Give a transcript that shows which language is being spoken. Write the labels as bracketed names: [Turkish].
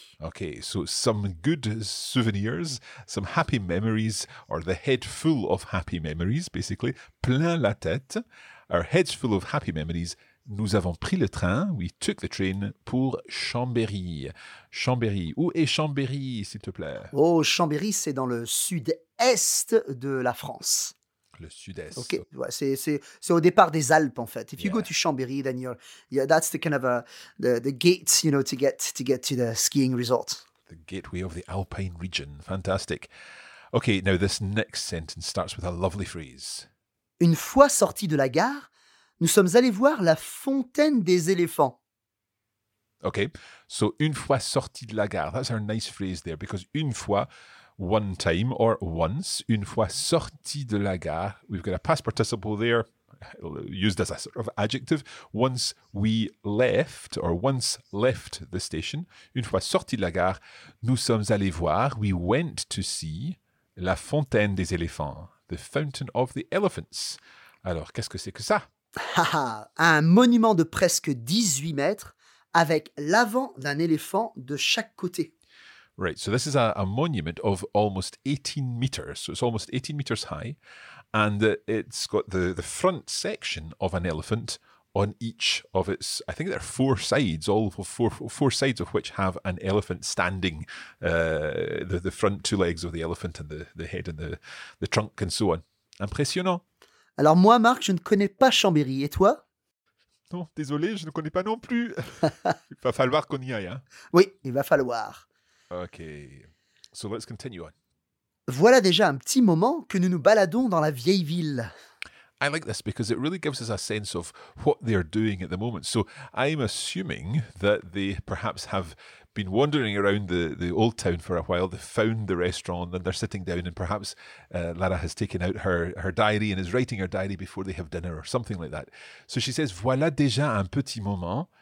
[English] Okay, so some good souvenirs, some happy memories, or the head full of happy memories, basically, [French] plein la tête, [English] our heads full of happy memories. [French] Nous avons pris le train, [English] we took the train, [French] pour Chambéry. Chambéry, où est Chambéry, s'il te plaît? Oh, Chambéry, c'est dans le sud-est de la France. Le sud-est. Ok, ouais, c'est au départ des Alpes, en fait. [English] If you go to Chambéry, then you're that's the kind of the gate, you know, to get to the skiing resort. The gateway of the Alpine region, fantastic. Ok, now this next sentence starts with a lovely phrase. [French] Une fois sorti de la gare, nous sommes allés voir la fontaine des éléphants. [English] Okay, so [French] une fois sorti de la gare, [English] that's our nice phrase there, because [French] une fois, [English] one time, or once, une fois sorti de la gare, we've got a past participle there, used as a sort of adjective, once we left, or once left the station, une fois sorti de la gare, [French] nous sommes allés voir, [English] we went to see, [French] la fontaine des éléphants, [English] the fountain of the elephants. [French] Alors, qu'est-ce que c'est que ça? Un monument de presque 18 mètres avec l'avant d'un éléphant de chaque côté. [English] Right, so this is a monument of almost 18 meters. So it's almost 18 meters high. And it's got the front section of an elephant on each of its, I think there are four sides, all of four sides of which have an elephant standing, the front two legs of the elephant and the head and the trunk and so on. [French] Impressionnant. Alors moi, Marc, je ne connais pas Chambéry. Et toi? Non, désolé, je ne connais pas non plus. Il va falloir qu'on y aille. Hein? Oui, il va falloir. [English] Ok, so let's continue on. [French] Voilà déjà un petit moment que nous nous baladons dans la vieille ville. [English] I like this because it really gives us a sense of what they're doing at the moment. So I'm assuming that they perhaps have been wandering around the old town for a while. They found the restaurant and they're sitting down, and perhaps Lara has taken out her diary and is writing her diary before they have dinner or something like that. So she says, [French] voilà déjà un petit moment.